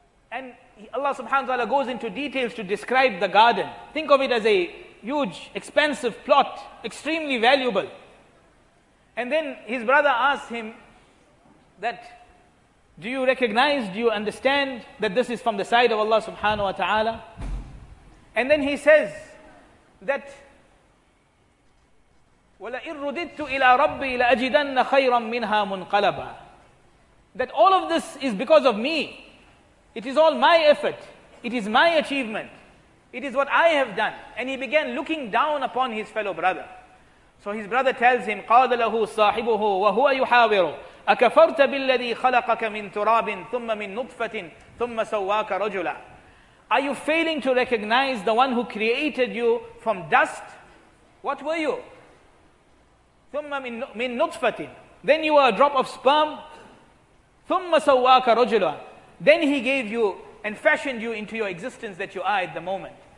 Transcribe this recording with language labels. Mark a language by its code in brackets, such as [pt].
[en] And Allah subhanahu wa ta'ala goes into details to describe the garden. Think of it as a huge, expensive plot, extremely valuable. And then his brother asks him that, do you recognize, do you understand that this is from the side of Allah subhanahu wa ta'ala? And then he says that, [ar] وَلَئِن رُدِدْتُ إِلَىٰ رَبِّي لَأَجِدَنَّ خَيْرًا مِّنْهَا مُنْقَلَبًا. [en] That all of this is because of me. It is all my effort. It is my achievement. It is what I have done. And he began looking down upon his fellow brother. So his brother tells him, [ar] قَالَ لَهُ صَاحِبُهُ وَهُوَ يُحَاوِرُ أَكَفَرْتَ بِالَّذِي خَلَقَكَ مِنْ تُرَابٍ ثُمَّ مِنْ نُطْفَةٍ ثُمَّ سَوَّاكَ رَجُلًا. [en] Are you failing to recognize the one who created you from dust? What were you? [ar] ثُمَّ مِنْ نُطْفَةٍ. [en] Then you were a drop of sperm. [ar] ثُمَّ سَوَّاكَ رَجُلًا. [en] Then he gave you and fashioned you into your existence that you are at the moment.